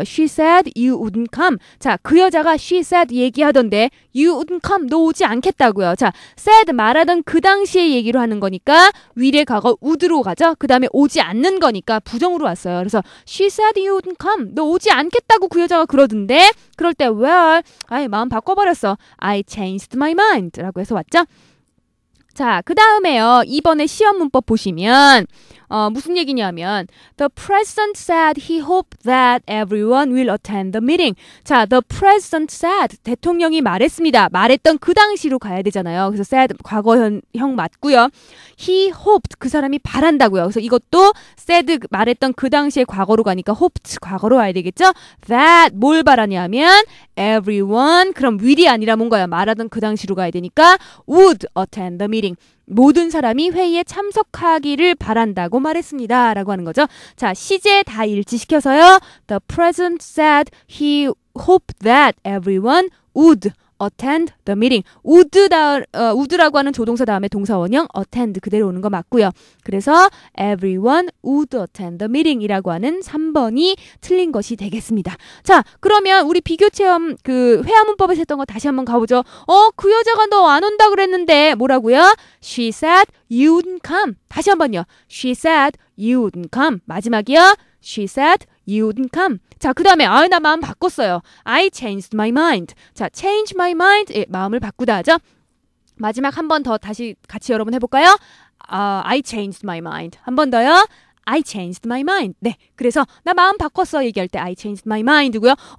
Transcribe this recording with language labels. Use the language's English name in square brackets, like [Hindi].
[English] She said you wouldn't come. [Korean] 자, 그 여자가 [English] she said [Korean] 얘기하던데 [English] you wouldn't come. [Korean] 너 오지 않겠다고요. 자, said 말하던 그 당시의 얘기로 하는 거니까 미래 과거 would로 가죠. 그 다음에 오지 않는 거니까 부정으로 왔어요. 그래서 [English] she said you wouldn't come. [Korean] 너 오지 않겠다고 그 여자가 그러던데. 그럴 때 well, 아예 마음 바꿔버렸어. [English] I changed my mind. [Korean] 라고 해서 왔죠. 자, 그 다음에요. 이번에 시험 문법 보시면 무슨 얘기냐면 [English] The president said he hoped that everyone will attend the meeting. [Korean] 자, [English] the president said [Korean] 대통령이 말했습니다. 말했던 그 당시로 가야 되잖아요. 그래서 said 과거형 맞고요. [English] He hoped [Korean] 그 사람이 바란다고요. 그래서 이것도 said 말했던 그 당시의 과거로 가니까 hoped 과거로 와야 되겠죠? That 뭘 바라냐면 everyone 그럼 will이 아니라 뭔가요? 말하던 그 당시로 가야 되니까 [English] would attend the meeting. [Korean] 모든 사람이 회의에 참석하기를 바란다고 말했습니다. 라고 하는 거죠. 자, 시제 다 일치시켜서요. [English] The president said he hoped that everyone would attend the meeting. [Korean] would라고 하는 조동사 다음에 동사원형 attend 그대로 오는 거 맞고요. 그래서 [English] everyone would attend the meeting [Korean] 이라고 하는 3번이 틀린 것이 되겠습니다. 자, 그러면 우리 비교체험 그 회화문법에서 했던 거 다시 한번 가보죠. 그 여자가 너 안 온다 그랬는데 뭐라고요? [English] She said you wouldn't come. [Korean] 다시 한번요. [English] She said you wouldn't come. [Korean] 마지막이요. [English] She said you wouldn't come. [Korean] 자, 그 다음에 아, 나 마음 바꿨어요. [English] I changed my mind. 자, change my mind. [Korean] 예, 마음을 바꾸다 하죠. 마지막 한 번 더 다시 같이 여러분 해볼까요? [English] I changed my mind. [Korean] 한 번 더요. [English] I changed my mind. [Korean] 네, 그래서 나 마음 바꿨어 얘기할 때 [English] I changed my mind [Korean] 고요.